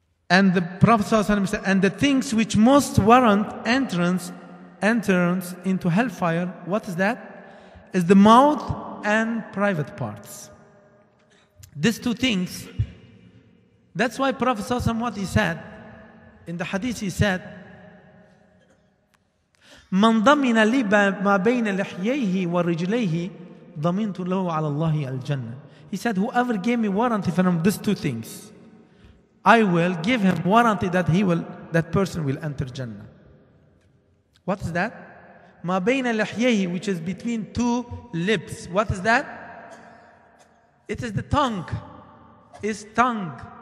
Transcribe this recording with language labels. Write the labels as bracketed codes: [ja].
[en] And the Prophet ﷺ said, and the things which most warrant entrance into hellfire, what is that? Is the mouth and private parts. These two things. That's why Prophet ﷺ, what he said in the hadith, he said, [ar] من ضمن لي ما بين لحييه ورجليه ضمنت له على الله الجنة. [en] He said, whoever gave me warranty from these two things, I will give him warranty that that person will enter Jannah. What is that? [ar] ما بين لحييه, [en] which is between two lips. What is that? It is the tongue. It's tongue.